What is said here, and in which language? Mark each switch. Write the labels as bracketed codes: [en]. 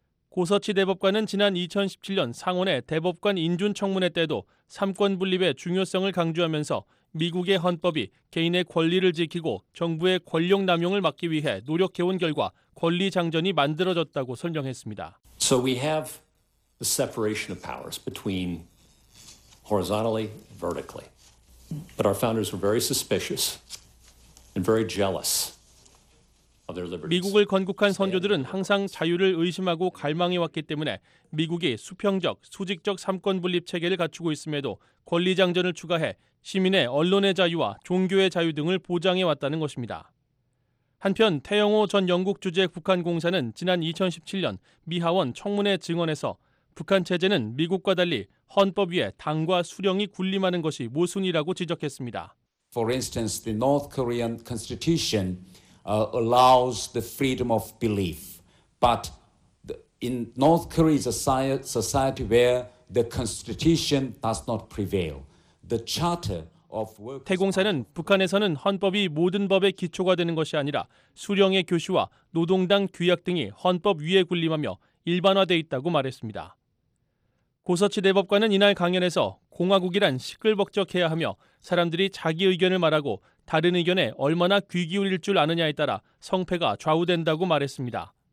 [ko] 고서치 대법관은 지난 2017년 상원의 대법관 인준청문회 때도 삼권 분립의 중요성을 강조하면서 미국의 헌법이 개인의 권리를 지키고 정부의 권력 남용을 막기 위해 노력해온 결과 권리 장전이 만들어졌다고 설명했습니다. [en] So we have the separation of powers between horizontally and vertically. But our founders were very suspicious and very jealous. [ko] 미국을 건국한 선조들은 항상 자유를 의심하고 갈망해왔기 때문에 미국이 수평적, 수직적 삼권분립 체계를 갖추고 있음에도 권리장전을 추가해 시민의 언론의 자유와 종교의 자유 등을 보장해왔다는 것입니다. 한편 태영호 전 영국 주재 북한 공사는 지난 2017년 미 하원 청문회 증언에서 북한 체제는 미국과 달리 헌법 위에 당과 수령이 군림하는 것이 모순이라고 지적했습니다. [en] For instance, the North Korean Constitution allows the freedom of belief, but in North Korea is a society where the constitution does not prevail. The charter of [ko] 태공사는 북한에서는 헌법이 모든 법의 기초가 되는 것이 아니라 수령의 교시와 노동당 규약 등이 헌법 위에 군림하며 일반화돼 있다고 말했습니다. 고서치 대법관은 이날 강연에서 공화국이란 시끌벅적해야 하며 사람들이 자기 의견을 말하고 다른 의견에 얼마나 귀 기울일 줄 아느냐에 따라 성패가 좌우된다고 말했습니다.